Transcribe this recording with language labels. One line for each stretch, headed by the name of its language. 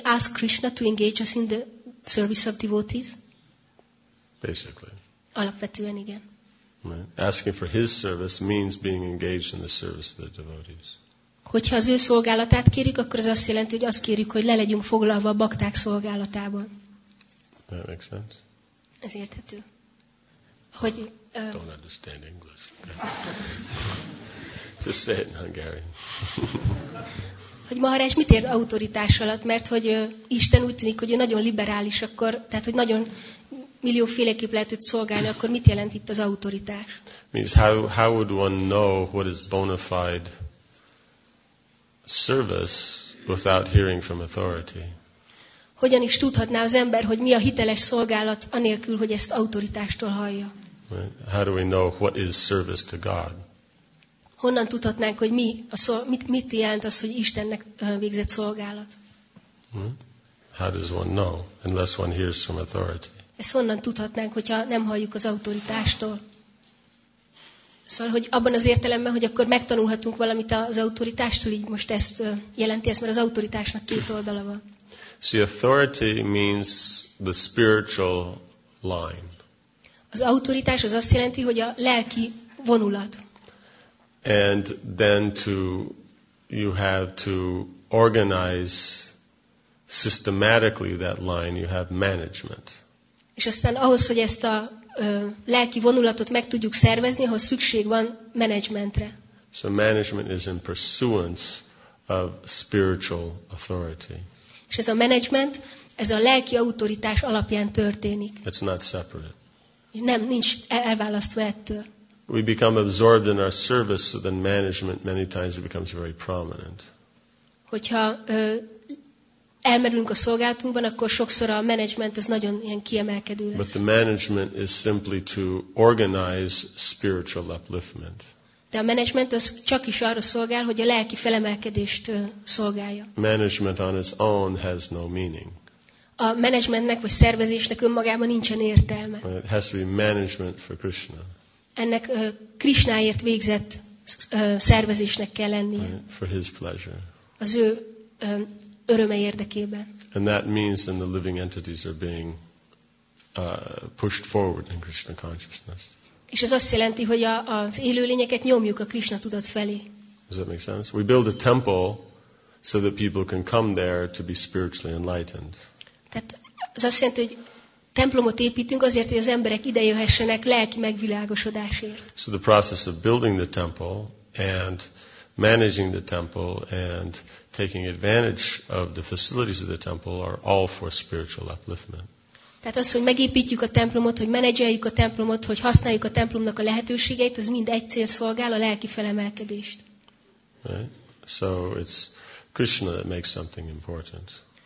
English: ask Krishna to engage us in the service of devotees. Basically.
Hungarian: Alapvetően igen.
English: Right. Asking for his service means being engaged in the service of the devotees.
Hungarian: Hogyha az ő szolgálatát kérjük, akkor az azt jelenti, hogy azt kérjük, hogy le legyünk foglalva a bakták szolgálatában.
English: That makes sense.
Hungarian: Ez érthető. Hogy,
English: don't understand English. Just say it in Hungarian.
Hungarian: Hogy Maharaj mit ért autoritás alatt? Mert hogy Isten úgy tűnik, hogy ő nagyon liberális, akkor, tehát hogy nagyon millióféleképp lehet őt szolgálni, akkor mit jelent itt az autoritás?
English: Means how would one know what is bona fide service without hearing from authority.
Hungarian: Hogyan is tudhatná az ember, hogy mi a hiteles szolgálat anélkül, hogy ezt autoritástól hallja?
English: How do we know what is service to God?
Hungarian: Honnan tudhatnánk, hogy mit jelent az, hogy Istennek végzett szolgálat?
English: How does one know unless one hears from authority?
Hungarian: Ezt honnan tudhatnánk, hogyha nem halljuk az autoritástól? Szóval, hogy abban az értelemben, hogy akkor megtanulhatunk valamit az autoritástól, így most ezt jelenti ezt, mert az autoritásnak két oldala van.
English: See, authority means the spiritual line.
Hungarian: Az autoritás az azt jelenti, hogy a lelki vonulat.
English: And then to you have to organize systematically that line, you have management.
Hungarian: És aztán ahhoz, hogy ezt a lelki vonulatot meg tudjuk szervezni, ahhoz szükség van menedzsmentre.
English: So management is in pursuance of spiritual authority.
Hungarian: És ez a menedzsment, ez a lelki autoritás alapján történik.
English: It's not separate.
Hungarian: Nem, nincs elválasztva ettől.
English: We become absorbed in our service, so then management many times becomes very prominent.
Hungarian: Hogyha elmerülünk a szolgálatunkban, akkor sokszor a management az nagyon ilyen kiemelkedő lesz.
English: But the management is simply to organize spiritual upliftment.
Hungarian: De a management az csak is arra szolgál, hogy a lelki felemelkedést szolgálja.
English: Management on its own has no meaning.
Hungarian: A managementnek vagy szervezésnek önmagában nincsen értelme.
English: It has to be management for Krishna.
Hungarian: Ennek Krishnáért végzett szervezésnek kell lennie.
English: For his pleasure.
Hungarian: Az ő öröme érdekében.
English: And that means that the living entities are being pushed forward in Krishna consciousness.
Hungarian: És ez azt jelenti, hogy az élőlényeket nyomjuk a Krishna tudat felé.
English: Does that make sense? We build a temple so that people can come there to be spiritually enlightened.
Hungarian: Tehát ez azt jelenti, hogy templomot építünk azért, hogy az emberek ide jöhessenek lelki megvilágosodásért.
English: So the process of building the temple and managing the temple and taking advantage of the facilities of the temple are all for spiritual upliftment.
Hungarian: Tehát az, hogy megépítjük a templomot, hogy menedzseljük a templomot, hogy használjuk a templomnak a lehetőségeit, az mind egy cél szolgál, a lelki felemelkedést.
English: Right? So it's Krishna that makes something important.